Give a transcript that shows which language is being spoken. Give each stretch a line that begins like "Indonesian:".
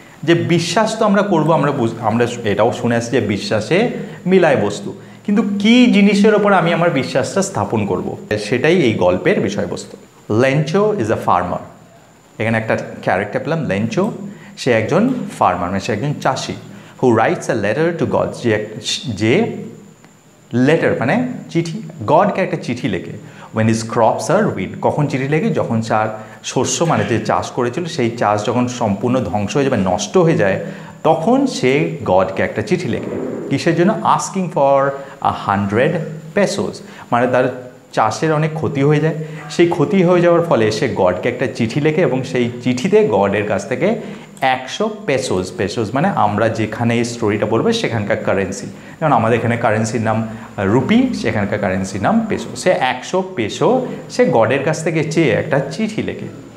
Bangla: যে বিশ্বাস তো আমরা করবো, আমরা এটাও শুনে আসছি যে বিশ্বাসে মিলায় বস্তু, কিন্তু কী জিনিসের ওপর আমি আমার বিশ্বাসটা স্থাপন করব সেটাই এই গল্পের বিষয়বস্তু।
English: Lencho is a farmer,
Bangla: এখানে একটা ক্যারেক্টার পেলাম লেঞ্চো, সে একজন ফার্মার মানে সে একজন চাষি।
English: who writes a letter to God,
Bangla: যে লেটার মানে চিঠি, গডকে একটা চিঠি লেখে।
English: When his crops are ruined,
Bangla: কখন চিঠি লেগে? যখন তার শস্য মানে যে চাষ করেছিল সেই চাষ যখন সম্পূর্ণ ধ্বংস হয়ে যাবে, নষ্ট হয়ে যায়, তখন সে গডকে একটা চিঠি লেখে। কিসের জন্য?
English: asking for
Bangla: 100 pesos, মানে তার চাষের অনেক ক্ষতি হয়ে যায়, সেই ক্ষতি হয়ে যাওয়ার ফলে সে গডকে একটা চিঠি লেখে এবং সেই চিঠিতে গডের কাছ থেকে 100 pesos, পেসোস মানে আমরা যেখানে এই স্টোরিটা বলবো সেখানকার কারেন্সি, যেমন আমাদের এখানে কারেন্সির নাম রুপি, সেখানকার কারেন্সির নাম পেসো, সে 100 peso সে গডের কাছ থেকে চেয়ে একটা চিঠি লেখে।